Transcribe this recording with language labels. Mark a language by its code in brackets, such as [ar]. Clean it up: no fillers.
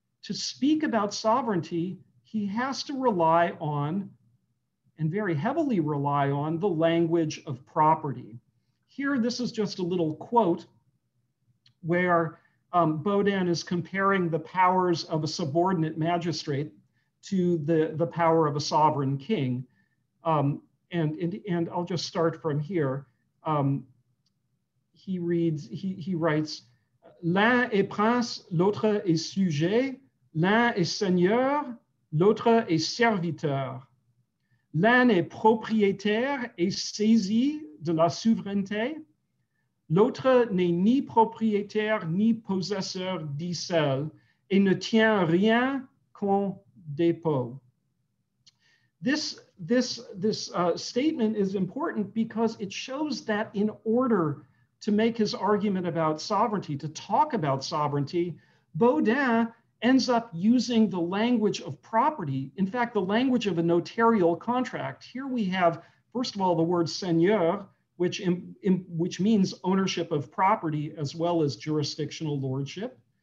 [en] To speak about sovereignty, he has to rely on and very heavily rely on the language of property. Here, this is just a little quote where Bodin is comparing the powers of a subordinate magistrate to the power of a sovereign king. And I'll just start from here. He writes, [fr] l'un est prince, l'autre est sujet, l'un est seigneur, l'autre est serviteur. L'un est propriétaire et saisi de la souveraineté. L'autre n'est ni propriétaire ni possesseur d'icelle et ne tient rien qu'en dépôt. [en] This statement is important because it shows that in order to make his argument about sovereignty, to talk about sovereignty, Bodin ends up using the language of property. In fact, the language of a notarial contract. Here we have, first of all, the word seigneur, which means ownership of property as well as jurisdictional lordship.